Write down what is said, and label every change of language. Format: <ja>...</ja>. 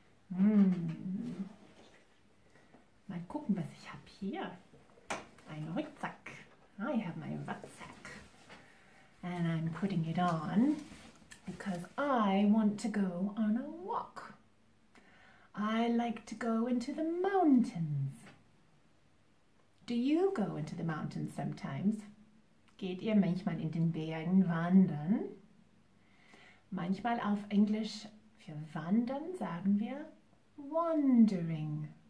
<de>Mal gucken, was ich habe hier. Ein Rucksack.</de> <en>I have my rucksack. And I'm putting it on because I want to go on a walk. I like to go into the mountains. Do you go into the mountains sometimes?</en> <de>Geht ihr manchmal in den Bergen wandern? Manchmal auf Englisch für wandern sagen wir wandering.</de>